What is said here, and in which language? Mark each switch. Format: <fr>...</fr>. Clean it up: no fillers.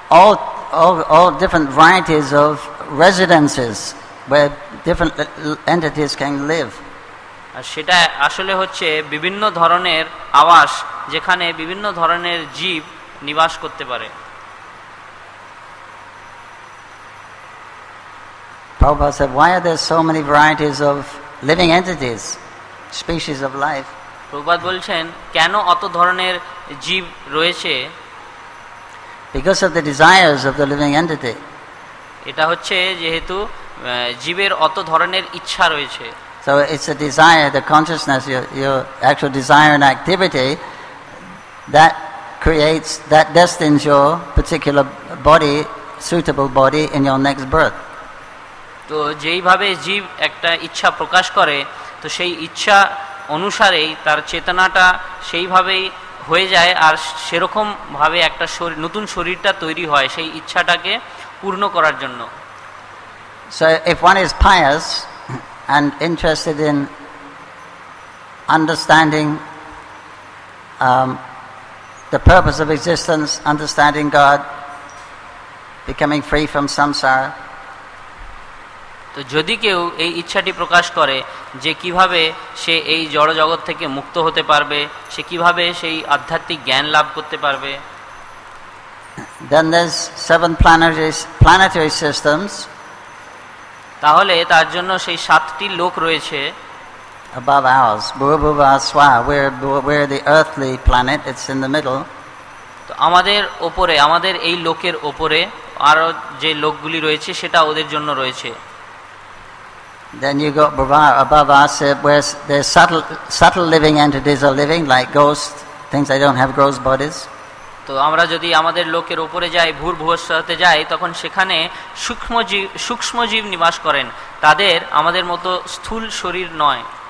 <en>All different varieties of residences where different entities can live.</en> <bn>সেটা আসলে হচ্ছে বিভিন্ন ধরনের আবাস যেখানে বিভিন্ন ধরনের জীব নিবাস করতে পারে।</bn> <en>Prabhupada said, why are there so many varieties of living entities, species of life?</en> <bn>Prabhupada বলছেন কেন অত ধরনের জীব রয়েছে?</bn> <en>Because of the desires of the living entity.</en> <bn>এটা হচ্ছে যেহেতু জীবের অত ধরনের ইচ্ছা রয়েছে।</bn> <en>So it's a desire, the consciousness, your actual desire and activity that creates, that destines your particular body, suitable body in your next birth.</en> <bn>তো যেইভাবে জীব একটা ইচ্ছা প্রকাশ করে, তো সেই ইচ্ছা অনুসারেই তার চেতনাটা সেইভাবেই হয়ে যায় আর সেরকম ভাবে একটা নতুন শরীরটা তৈরি হয় সেই ইচ্ছাটাকে পূর্ণ করার জন্য।</bn> <en>So if one is pious and interested in understanding the purpose of existence, understanding God, becoming free from samsara.</en> <bn>তো যদি কেউ এই ইচ্ছাটি প্রকাশ করে যে কিভাবে সে এই জড় জগৎ থেকে মুক্ত হতে পারবে, সে কিভাবে সেই আধ্যাত্মিক জ্ঞান লাভ করতে পারবে,</bn> <en>then there's seven planetary systems.</en> <bn>তাহলে তার জন্য সেই সাতটি লোক রয়েছে।</bn> <en>Above ours, Bhuvaswa, where the earthly planet, it's in the middle.</en> <bn>তো আমাদের উপরে, আমাদের এই লোকের উপরে আরো যে লোকগুলি রয়েছে সেটা ওদের জন্য রয়েছে।</bn> <en>Then you got Brahma above us, where the subtle living entities are living, like ghosts, things that don't have gross bodies.</en> <bn>তো আমরা যদি আমাদের লোকের উপরে যাই, ভূর ভুবস্বতে যাই, তখন সেখানে সূক্ষ্মজীব নিবাস করেন, তাদের আমাদের মতো স্থূল শরীর নয়।</bn>